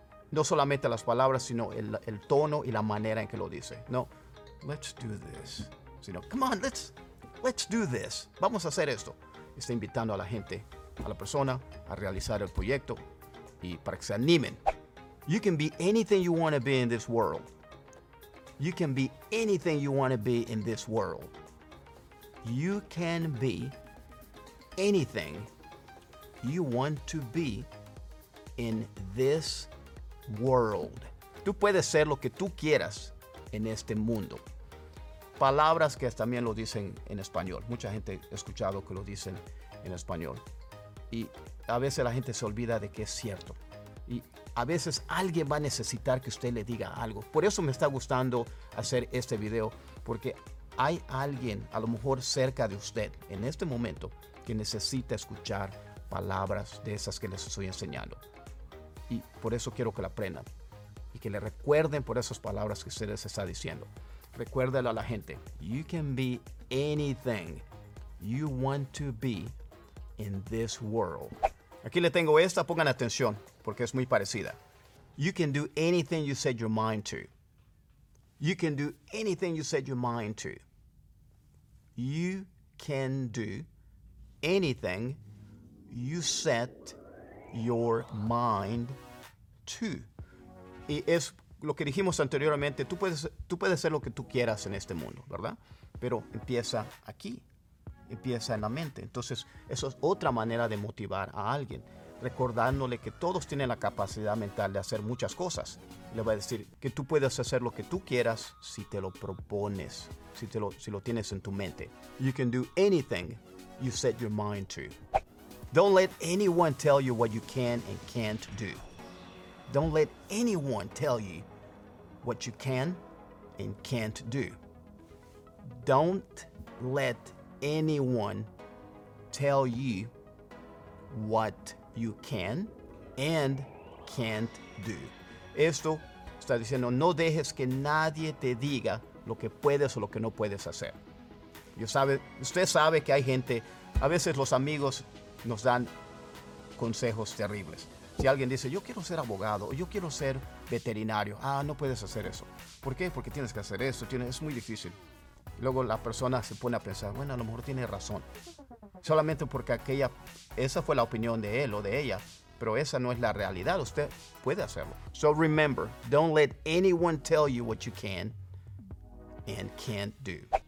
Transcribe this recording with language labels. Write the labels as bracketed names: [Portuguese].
[Spanish] No solamente las palabras, sino el tono y la manera en que lo dice. [English] No, let's do this. Sino, come on, let's do this. [Spanish] Vamos a hacer esto. Está invitando a la gente, a la persona, a realizar el proyecto y para que se animen. [English] You can be anything you want to be in this world. You can be anything you want to be in this world. You can be anything you want to be in this world. [Spanish] Tú puedes ser lo que tú quieras en este mundo. palabras que también lo dicen en español. Mucha gente ha escuchado que lo dicen en español. Y a veces la gente se olvida de que es cierto. Y a veces alguien va a necesitar que usted le diga algo. Por eso me está gustando hacer este video, porque hay alguien, a lo mejor cerca de usted, en este momento, que necesita escuchar palabras de esas que les estoy enseñando. Y por eso quiero que la aprendan y que le recuerden por esas palabras que usted les está diciendo. Recuérdelo a la gente. [English] You can be anything you want to be in this world. [Spanish] Aquí le tengo esta, pongan atención, porque es muy parecida. [English] You can do anything you set your mind to. You can do anything you set your mind to. You can do anything you set your mind to. [Spanish] Y es lo que dijimos anteriormente, tú puedes hacer lo que tú quieras en este mundo, ¿verdad? Pero empieza aquí, empieza en la mente. Entonces, eso es otra manera de motivar a alguien, recordándole que todos tienen la capacidad mental de hacer muchas cosas. Le voy a decir que tú puedes hacer lo que tú quieras si te lo propones, si lo tienes en tu mente. [English] You can do anything you set your mind to. Don't let anyone tell you what you can and can't do. Don't let anyone tell you what you can and can't do. Don't let anyone tell you what you can and can't do. [Spanish] Esto está diciendo, no dejes que nadie te diga lo que puedes o lo que no puedes hacer. Usted sabe que hay gente, a veces los amigos nos dan consejos terribles. Si alguien dice, yo quiero ser abogado, yo quiero ser veterinario. Ah, no puedes hacer eso. ¿Por qué? Porque tienes que hacer eso, es muy difícil. Luego la persona se pone a pensar, bueno, a lo mejor tiene razón. Solamente porque esa fue la opinión de él o de ella, pero esa no es la realidad, usted puede hacerlo. [English] So remember, don't let anyone tell you what you can and can't do.